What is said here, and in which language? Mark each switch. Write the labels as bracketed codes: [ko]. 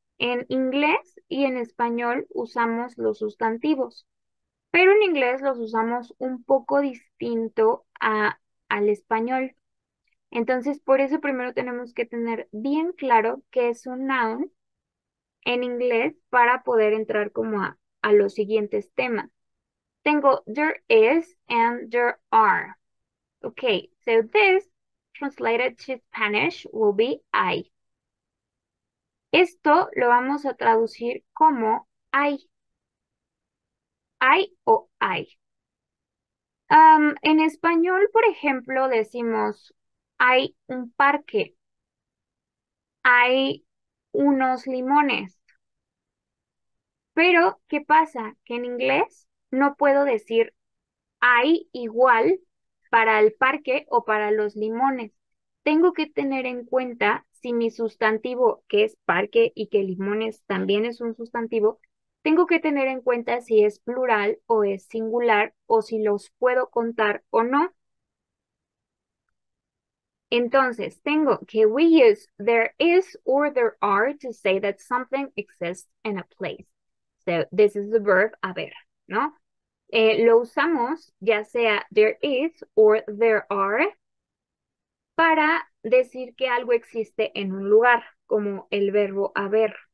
[es] En inglés y en español usamos los sustantivos, pero en inglés los usamos un poco distinto al español. Entonces, por eso primero tenemos que tener bien claro qué es un noun en inglés para poder entrar como a los siguientes temas. Tengo there is and there are. [en] Okay, so this translated to Spanish will be I. [es] Esto lo vamos a traducir como I. I o I. En español, por ejemplo, decimos hay un parque, hay unos limones. Pero, ¿qué pasa? Que en inglés no puedo decir hay igual para el parque o para los limones. Tengo que tener en cuenta si mi sustantivo, que es parque y que limones también es un sustantivo, tengo que tener en cuenta si es plural o es singular o si los puedo contar o no. Entonces, tengo que [en] we use there is or there are to say that something exists in a place. So, this is the verb [es] haber, ¿no? Lo usamos ya sea there is or there are para decir que algo existe en un lugar, como el verbo haber.